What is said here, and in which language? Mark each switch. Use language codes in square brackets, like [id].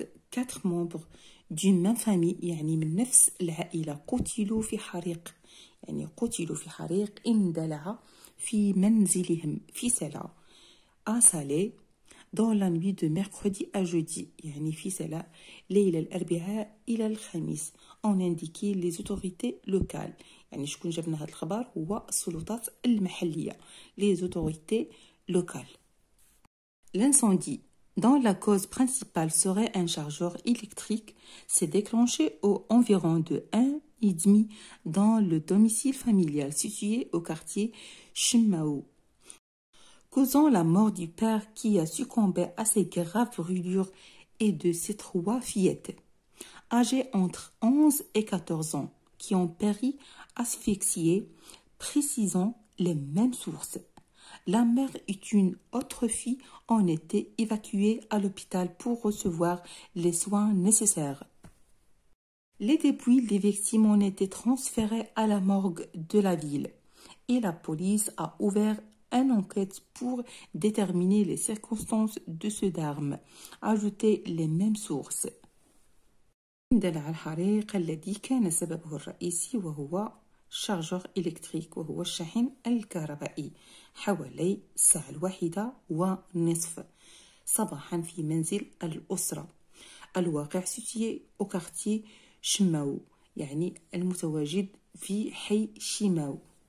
[fr] Quatre membres d'une même famille, [ar] يعني من نفس العائلة, قتلوا في حريق, يعني قتلوا في حريق, اندلع في منزلهم, في سلا, [fr] à Salé, dans la nuit de mercredi à jeudi, [ar] يعني في سلا, ليلة الأربعاء إلى الخميس, [fr] ont indiqué les autorités locales. [ar] يعني شكون جابنا هذا الخبر هو السلطات المحلية, [fr] les autorités locales. L'incendie, dont la cause principale serait un chargeur électrique, s'est déclenché aux environs de 1h30 dans le domicile familial situé au quartier Chimao, causant la mort du père qui a succombé à ses graves brûlures et de ses trois fillettes, âgées entre 11 et 14 ans, qui ont péri asphyxiées, précisant les mêmes sources. La mère et une autre fille ont été évacuées à l'hôpital pour recevoir les soins nécessaires. Les dépouilles des victimes ont été transférées à la morgue de la ville et la police a ouvert une enquête pour déterminer les circonstances de ce drame, ajoutaient les mêmes sources. [ar] دلع الحريق الذي كان سببه الرئيسي وهو شارجور إلكتريك وهو الشاحن الكهربائي حوالي الساعة الواحدة ونصف صباحا في منزل الأسرة الواقع سيتيه أو كارتيه شماو يعني المتواجد في حي شماو